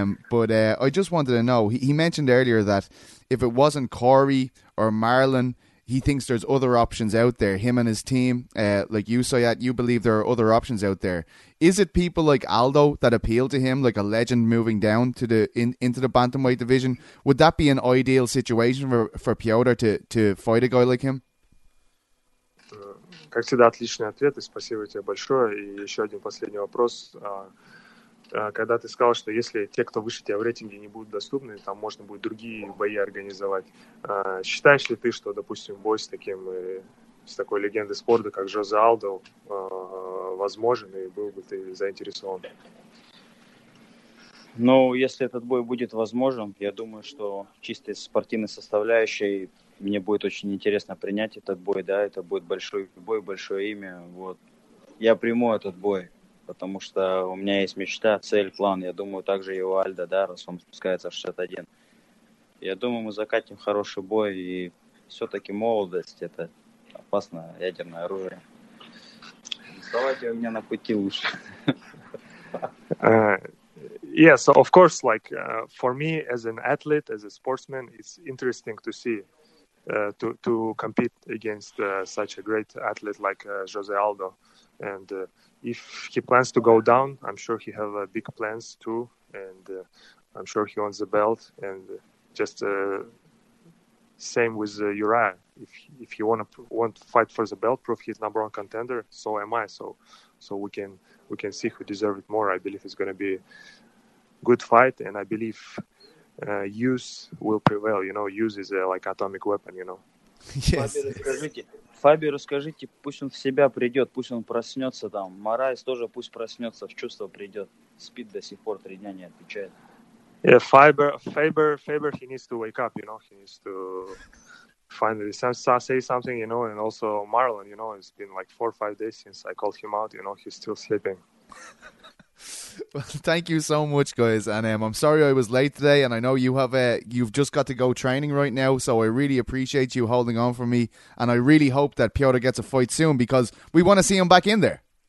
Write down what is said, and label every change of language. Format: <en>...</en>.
<en>But I just wanted to know, he mentioned earlier that if it wasn't Corey or Marlon, he thinks there's other options out there, him and his team, like you, Soyat, you believe there are other options out there. Is it people like Aldo that appeal to him, like a legend moving down to the into the bantamweight division? Would that be an ideal situation for Piotr to fight a guy like him?</en> <ru>Как всегда, отличный ответ, и спасибо тебе большое. И еще один последний вопрос. Когда ты сказал, что если те, кто выше тебя в рейтинге, не будут доступны, там можно будет другие бои организовать. Считаешь ли ты, что, допустим, бой с такой легендой спорта, как Жозе Алдо, возможен, и был бы ты заинтересован? Ну, если этот бой будет возможен, я думаю, что чистой спортивной составляющей мне будет очень интересно принять этот бой, да, это будет большой бой, большое имя, вот. Я приму этот бой, потому что у меня есть мечта, цель, план, я думаю, также и у Альдо, да, раз он спускается в 61. Я думаю, мы закатим хороший бой, и все-таки молодость – это опасно, ядерное оружие. Вставайте у меня на пути лучше.</ru> <en>Yeah, so of course, like, for me, as an athlete, as a sportsman, it's interesting to see. To compete against such a great athlete like Jose Aldo. And if he plans to go down, I'm sure he have big plans too. And I'm sure he wants the belt. And just same with Uriah. If he want to fight for the belt, prove he's number one contender, so am I. So we can see who deserves it more. I believe it's going to be a good fight. And I believe use will prevail, you know, use is like atomic weapon, you know. Yes.</en> <ru>Фаби, расскажите, пусть он в себя придет, пусть он проснется там. Марайс тоже пусть проснется, в чувство придет. Спит до сих пор, 3 дня не отвечает.</ru> <en>Yeah, Faber, he needs to wake up, you know, he needs to finally say something, you know, and also Marlon, you know, it's been like 4 or 5 days since I called him out, you know, he's still sleeping. Well, thank you so much, guys, and I'm sorry I was late today, and I know you have you've just got to go training right now, so I really appreciate you holding on for me, and I really hope that Piotr gets a fight soon, because we want to see him back in there.</en>